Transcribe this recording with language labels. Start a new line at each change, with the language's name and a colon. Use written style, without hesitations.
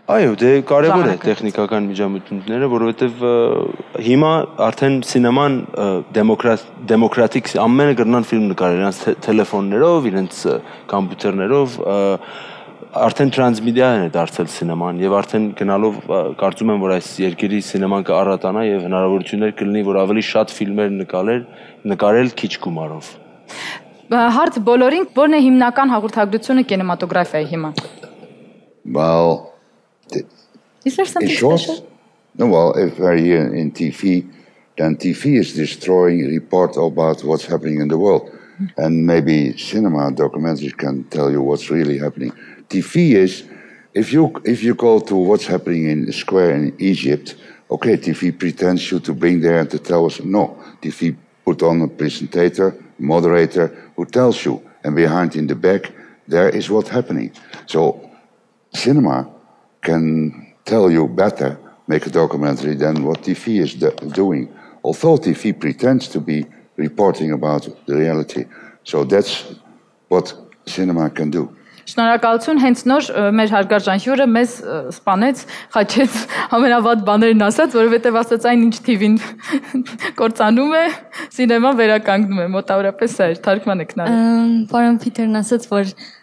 Armenian: Այո, դե կարևոր է տեխնիկական միջամտությունները, որովհետև հիմա արդեն սինեման դեմոկրատիկ ամենը գրնան ֆիլմ նկարել իրենց թելեֆոններով, իրենց համբյուտերներով, արդեն տրանսմեդիան է դարձել սինեման եւ արդեն գնալով կարծում եմ, որ այս երկրի սինեման կառատանա եւ հնարավորություններ կլինի, որ ավելի շատ ֆիլմեր նկարել քիչ գումարով։ Հարց բոլորին, որն է հիմնական հաղորդագրությունը կինեմատոգրաֆիայի հիմա։
English: Well, is there something special? No, well, if we're here in TV, then TV is destroying reports about what's happening in the world. And maybe cinema documentaries can tell you what's really happening. TV is, if you go to what's happening in the square in Egypt, okay, TV pretends you to bring there and to tell us. No, TV put on a presenter, moderator, who tells you. And behind in the back, there is what's happening. So cinema can tell you better, make a documentary, than what TV is doing. Although TV pretends to be reporting about the reality. So that's what cinema can do.
Armenian: Շնորհակալություն, հենց նոր մեր հարգարժան հյուրը մեզ սպանեց, խաչեց ամենավատ բաներն ասած, որովհետև ասաց այն, ինչ TV-ն կործանում է, սինեման վերականգնում է, մոտավորապես այդ թարգմանը կնարի։ Պարոն Փիթերն ասաց, որ